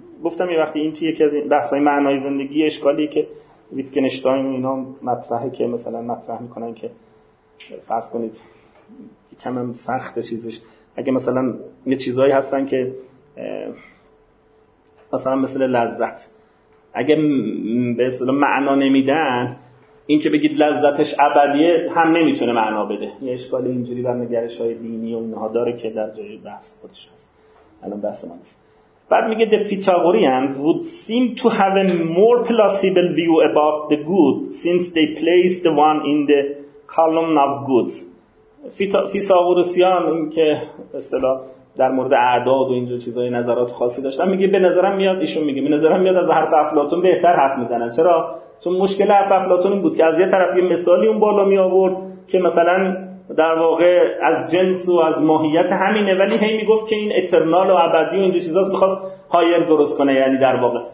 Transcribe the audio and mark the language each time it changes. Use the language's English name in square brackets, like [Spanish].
[Persian] گفتم یه وقتی این یکی از بحثای معنای زندگی اشکالی که ویتگنشتاین اینا مطرحه، که مثلا مطرح میکنن که فرض کنید کم هم سخت چیزش، اگه مثلا یه چیزهایی هستن که مثلا مثل لذت، اگه به اصطلاح معنا نمیدن، این که بگید لذتش ابدیه هم نمیتونه معنا بده. یه اشکال اینجوری بر نگرش‌های دینی و اینها داره که در جای بحث خودش هست، الان بحث ما نیست. بعد میگه [English] the Pythagoreans would seem to have a more plausible view about the good since they placed the one in the column of goods. [Persian] فیثاغورسیان، این که به اصطلاح در مورد اعداد و اینجور چیزای نظرات خاصی داشتن، میگه به نظرم میاد، ایشون میگه به نظرم میاد از حرف افلاطون بهتر حرف میزنن. چرا؟ چون مشکل حرف افلاطون این بود که از یه طرف یه مثالی اون بالا می آورد که مثلا در واقع از جنس و از ماهیت همینه، ولی هی میگفت که این اترنال و ابدی و اینجور چیزاست، میخواست هایر درست کنه، یعنی در واقع.